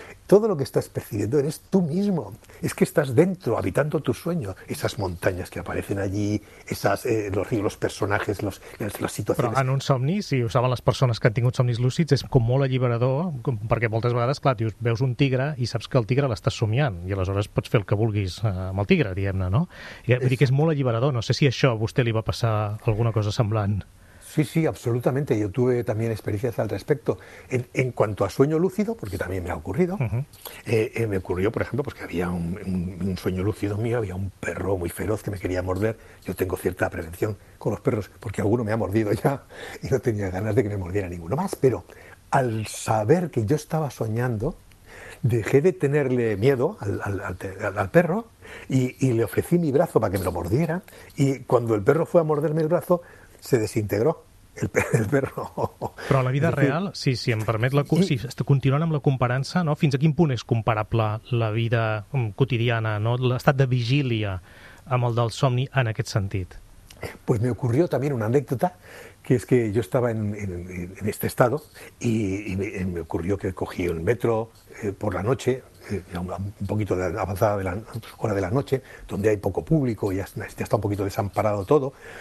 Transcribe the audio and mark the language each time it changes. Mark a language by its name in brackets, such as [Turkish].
[Spanish] Todo lo que estás percibiendo eres tú mismo. Es que estás dentro, habitando tu sueño. Esas montañas que aparecen allí, los ríos, los personajes, las situaciones... [Catalan] Però en un somni, si ho saben les persones que han tingut somnis lúcids, és com molt alliberador, perquè moltes vegades, clar, dius, veus un tigre i saps que el tigre l'estàs somiant, i aleshores pots fer el que vulguis amb el tigre, diguem-ne, no? Vull dir que és molt alliberador. No sé si això a vostè li va passar alguna cosa semblant. [Spanish] Sí, sí, absolutamente. Yo tuve también experiencias al respecto. En cuanto a sueño lúcido, porque también me ha ocurrido, me ocurrió, por ejemplo, pues que había un sueño lúcido mío, había un perro muy feroz que me quería morder. Yo tengo cierta prevención con los perros, porque alguno me ha mordido ya y no tenía ganas de que me mordiera ninguno más. Pero al saber que yo estaba soñando, dejé de tenerle miedo al perro y le ofrecí mi brazo para que me lo mordiera. Y cuando el perro fue a morderme el brazo, se desintegró el perro. [Catalan] Però a la vida real, si em permet, si continuant amb la comparança, no? Fins a quin punt és comparable la vida quotidiana, no? L'estat de vigília amb el del somni en aquest sentit? [Spanish] Pues me ocurrió también una anécdota, que es que yo estaba en este estado y me ocurrió que cogí el metro por la noche, un poquito de avanzada de la hora de la noche, donde hay poco público y ya está un poquito desamparado todo.